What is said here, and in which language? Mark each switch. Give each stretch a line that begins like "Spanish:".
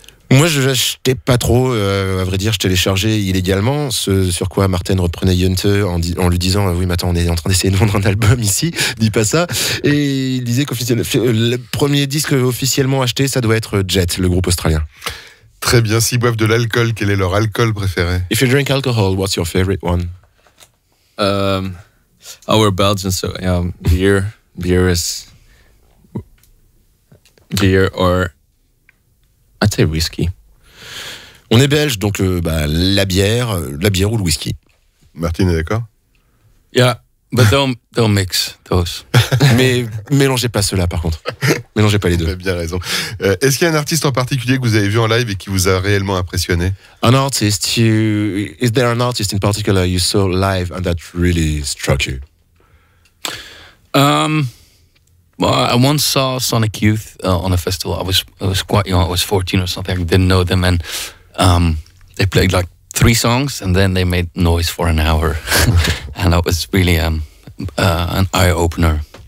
French: Moi, je l'achetais pas trop, à vrai dire, je téléchargeais illégalement, ce sur quoi Martin reprenait Yonte en lui disant « Oui, mais attends, on est en train d'essayer de vendre un album ici, dis pas ça. » Et il disait qu'officiellement, le premier disque officiellement acheté, ça doit être Jet, le groupe australien. Très bien, s'ils boivent de l'alcool, quel est leur alcool préféré?
English: If you drink alcohol, what's your favorite one? We're Belgian, so beer. Beer is... Beer or I'd say whisky.
French: On est belge, donc la bière ou le whisky. Martin est d'accord?
English: Yeah, but don't mix those.
French: Mais mélangez pas ceux-là, par contre. Mélangez pas les deux. Vous avez bien raison. Est-ce qu'il y a un artiste en particulier que vous avez vu en live et qui vous a réellement impressionné?
English: An artist, is there an artist in particular you saw live and that really struck you? Well, I once saw Sonic Youth on a festival. I was quite young. I was 14 or something. I didn't know them, and they played like 3 songs, and then they made noise for an hour, and that was really an eye opener.